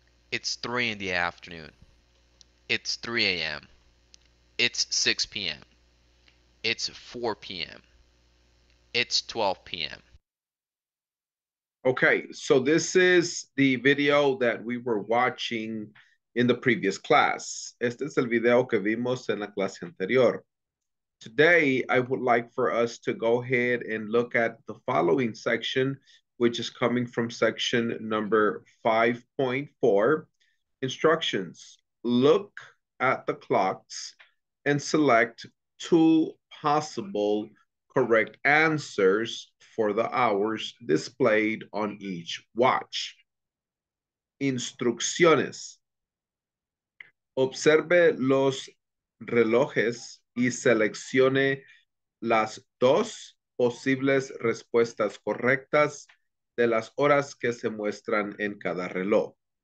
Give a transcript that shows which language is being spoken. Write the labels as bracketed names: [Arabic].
[English] It's 3 in the afternoon. It's 3 a.m. It's 6 p.m. It's 4 p.m. It's 12 p.m. Okay, so this is the video that we were watching in the previous class. [Spanish] Este es el video que vimos en la clase anterior. [English] Today, I would like for us to go ahead and look at the following section, which is coming from section number 5.4, instructions. Look at the clocks and select two possible correct answers for the hours displayed on each watch. [Spanish] Instrucciones. Observe los relojes y seleccione las dos posibles respuestas correctas de las horas que se muestran en cada reloj.